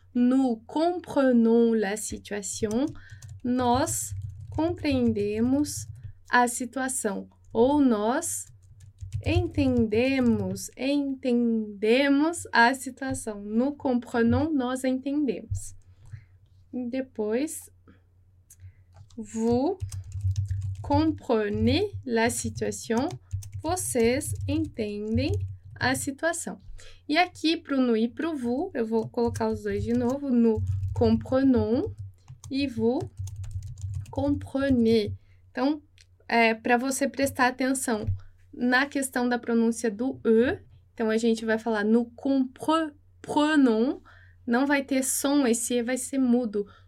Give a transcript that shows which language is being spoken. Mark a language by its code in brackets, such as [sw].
[fr] Nous comprenons la situation. [pt] Nós compreendemos a situação. Ou nós entendemos, entendemos a situação. [fr] Nous comprenons, [pt] nós entendemos. E depois, [fr] vous comprenez la situation. [pt] Vocês entendem a situação. E aqui, para o nous e para o vous, eu vou colocar os dois de novo. [fr] Nous comprenons e vous comprenez. [pt] Então, para você prestar atenção na questão da pronúncia do E, então a gente vai falar [fr] nous comprenons, [pt] não vai ter som, esse E vai ser mudo.